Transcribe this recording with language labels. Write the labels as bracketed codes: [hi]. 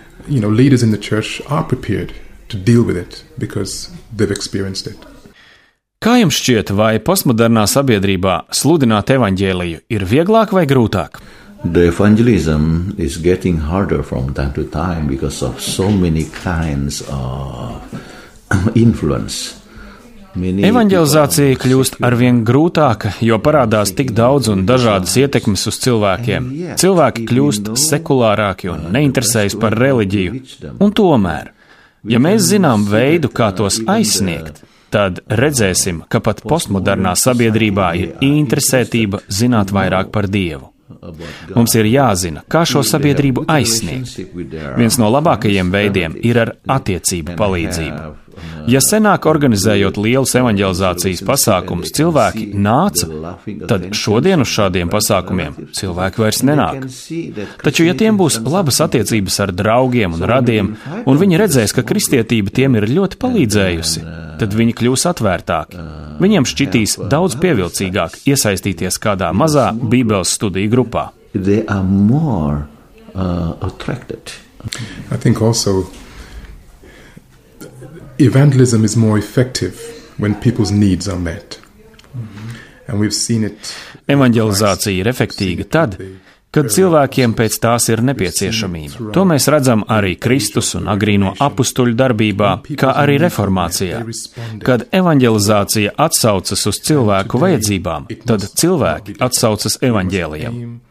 [en] Leaders in the church are prepared to deal with it because they've experienced it. [lv] Kā jums šķiet, vai postmodernā sabiedrībā sludināt evaņģēliju ir vieglāk vai grūtāk? [en] The evangelism is getting harder from time to time because of so many kinds of influence. [lv] Evangelizācija kļūst arvien grūtāka, jo parādās tik daudz un dažādas ietekmes uz cilvēkiem. Cilvēki kļūst sekulārāki un neinteresējas par reliģiju. Un tomēr, ja mēs zinām veidu, kā tos aizsniegt, tad redzēsim, ka pat postmodernā sabiedrībā ir interesētība zināt vairāk par Dievu. Mums ir jāzina, kā šo sabiedrību aizsniegt. Viens no labākajiem veidiem ir ar attiecību palīdzību. Ja senāk organizējot lielus evanģelizācijas pasākumus cilvēki nāca, tad šodien uz šādiem pasākumiem cilvēki vairs nenāk. Taču, ja tiem būs labas attiecības ar draugiem un radiem, un viņi redzēs, ka kristietība tiem ir ļoti palīdzējusi, tad viņi kļūs atvērtāki. Viņiem šķitīs daudz pievilcīgāk iesaistīties kādā mazā Bībeles studiju grupā. [en] They are more attracted. I think also evangelism is more effective when people's needs are met. And we've seen it. [lv] Evangelizācija ir efektīga tad, kad cilvēkiem pēc tās ir nepieciešamība. To mēs redzam arī Kristus un agrīno apustuļu darbībā, kā arī reformācijā. Kad evangelizācija atsaucas uz cilvēku vajadzībām, tad cilvēki atsaucas evangēlijam.